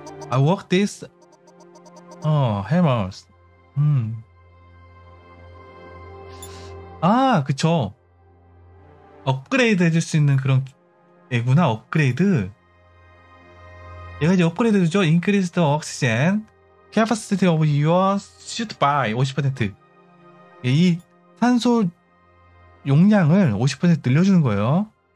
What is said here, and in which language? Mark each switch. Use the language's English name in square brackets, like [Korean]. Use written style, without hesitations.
[English] I work this. 어, 해머스. [Korean] 아, 그쵸. 업그레이드 해줄 수 있는 그런 애구나, 업그레이드. 얘가 이제 업그레이드죠. [English] Increase the oxygen capacity of your suit by 50%. [Korean] 이 산소 용량을 50% 늘려주는 거예요.